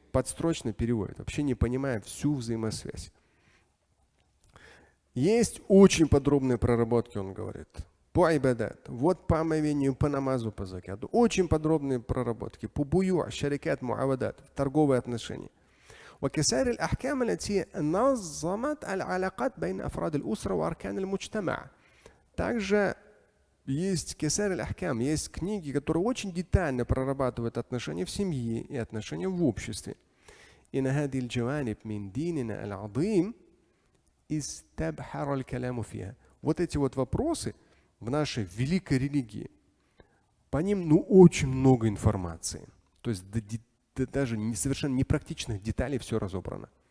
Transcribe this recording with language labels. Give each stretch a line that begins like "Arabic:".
Russian: подстрочно переводит, вообще не понимая всю взаимосвязь. Есть очень подробные проработки, он говорит. По айбадат, вот по омовению, по намазу, по закяту. Очень подробные проработки. По буйу, шарикат, муавадат, торговые отношения.
Arabic: وكسائر الأحكام التي نظمت العلاقات بين أفراد الأسرة وأركان المجتمع.
Russian: Также есть
Arabic: كسائر الأحكام,
Russian: есть книги, которые очень детально прорабатывают отношения в семье и отношения в обществе.
Arabic: إن هذه الجوانب من ديننا العظيم استبحر الكلام فيها.
Russian: Вот эти вот вопросы в нашей великой религии, по ним ну очень много информации. То есть до деталей. Даже не совершенно непрактичных деталей все разобрано.